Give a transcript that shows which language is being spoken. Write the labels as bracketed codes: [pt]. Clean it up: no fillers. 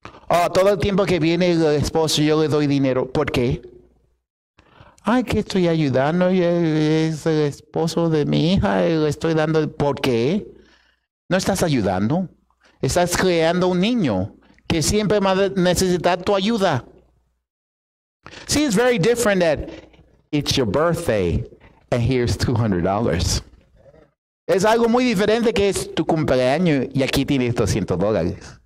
[es] Oh, todo el tiempo que viene el esposo, yo le doy dinero. ¿Por qué? Ay, que estoy ayudando. Es el esposo de mi hija. Y le estoy dando. ¿Por qué? No estás ayudando. Estás creando un niño que siempre va a necesitar tu ayuda. [en] See, it's very different that it's your birthday and here's $200. [es] Es algo muy diferente que es tu cumpleaños y aquí tienes $200.